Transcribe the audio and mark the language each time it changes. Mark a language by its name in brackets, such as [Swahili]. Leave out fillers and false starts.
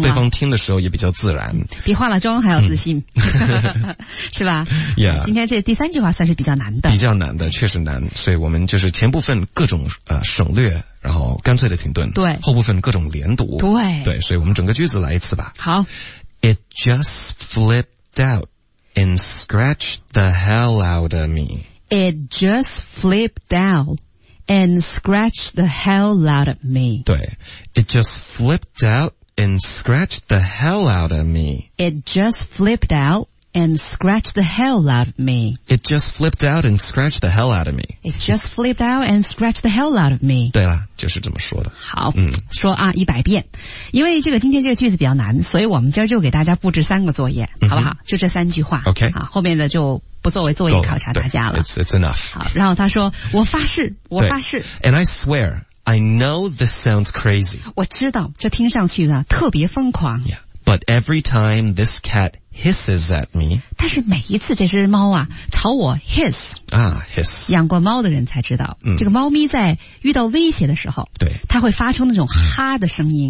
[Chinese] 了。对方听的时候也比较自然。比化了妆还要自信。是吧 [English] ?Yeah. [Chinese] 今天这第三句话算是比较难的。比较难的，确实难。所以我们就是前部分各种省略。然后干脆的停顿，对，后部分各种连读，对，对，所以我们整个句子来一次吧。好 [English] ，It just flipped out and scratched the hell out of me. It just flipped out and scratched the hell out of me. 对 ，It just flipped out and scratched the hell out of me. It just flipped out. And scratch the hell out of me. It just flipped out and scratched the hell out of me. It just flipped out and scratched the hell out of me. [Chinese] 对了，就是这么说的。好，说啊一百遍，因为这个今天这个句子比较难，所以我们今儿就给大家布置三个作业，好不好？就这三句话。 [English] OK， [Chinese] 啊，后面的就不作为作业考察大家了。 [English] It's enough. [Chinese] 好，然后他说，我发誓，我发誓。 [English] And I swear, I know this sounds crazy. [Chinese] 我知道，这听上去呢特别疯狂。 [English] Yeah, but every time this cat. Hisses at me. [Chinese] 但是每一次这只猫啊朝我 hiss 啊 hiss 养过猫的人才知道、这个猫咪在遇到威胁的时候对它会发出那种哈的声音